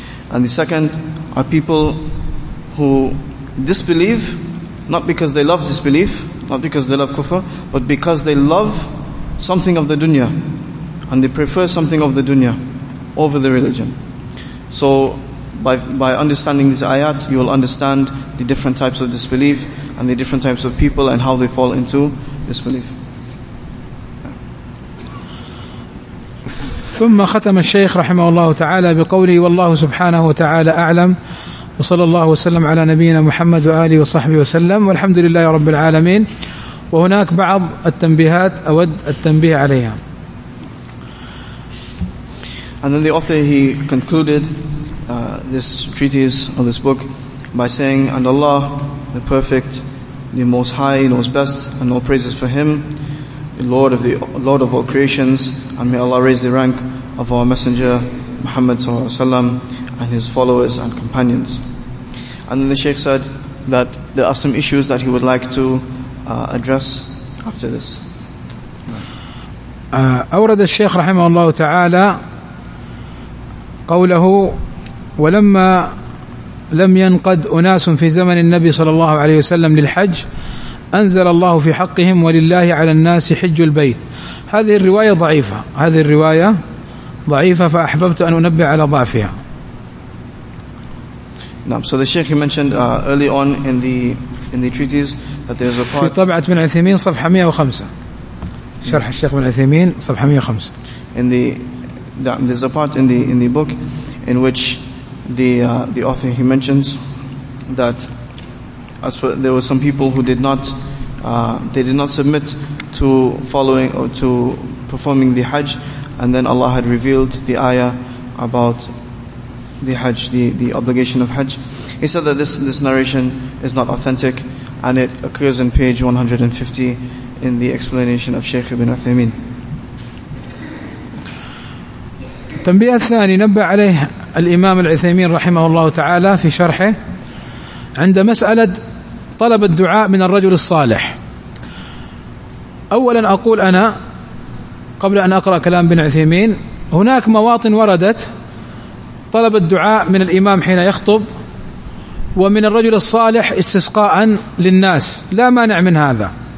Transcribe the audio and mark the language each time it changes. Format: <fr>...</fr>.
<en>And the second are people who disbelieve, not because they love disbelief, not because they love kufr, but because they love something of the dunya, and they prefer something of the dunya over the religion. So, by understanding this ayat, you will understand the different types of disbelief, and the different types of people, and how they fall into disbelief.</en> <ar>ثم ختم الشيخ رحمه الله تعالى بقوله والله سبحانه وتعالى أعلم وصلى الله وسلم على نبينا محمد وآله وصحبه وسلم والحمد لله رب العالمين. وهناك بعض التنبيهات أود التنبيه عليها.</ar> <en>And then the author, he concluded this treatise or this book by saying, and Allah, the perfect, the most high, knows best, and all praises for him, the Lord of all creations, and may Allah raise the rank of our Messenger Muhammad sallallahu alaihi wasallam and his followers and companions. And then the Shaykh said that there are some issues that he would like to address after this.</en> <ar>أورد الشيخ رحمه الله تعالى قوله ولما لم ينقد أناس في زمن النبي صلى الله عليه وسلم للحج أنزل الله في حقهم ولله على الناس حج البيت. هذه الرواية ضعيفة فأحببت أن أنبه على ضعفها. نعم.</ar> <en>So the Sheikh, he mentioned early on in the treatise that there is a part.</en> <ar>في طبعة ابن عثيمين صفحة 105. شرح الشيخ ابن عثيمين صفحة 105.</ar> <en>There's a part in the book in which the author, he mentions that as for, there were some people who did not submit to following or to performing the Hajj, and then Allah had revealed the ayah about the Hajj, the obligation of Hajj. He said that this narration is not authentic, and it occurs in page 150 in the explanation of Shaykh ibn Uthaymeen.</en> <ar>التنبيه الثاني نبه عليه الإمام العثيمين رحمه الله تعالى في شرحه عند مسألة طلب الدعاء من الرجل الصالح. أولا أقول أنا قبل أن أقرأ كلام ابن عثيمين، هناك مواطن وردت طلب الدعاء من الإمام حين يخطب ومن الرجل الصالح استسقاء للناس، لا مانع من هذا.</ar>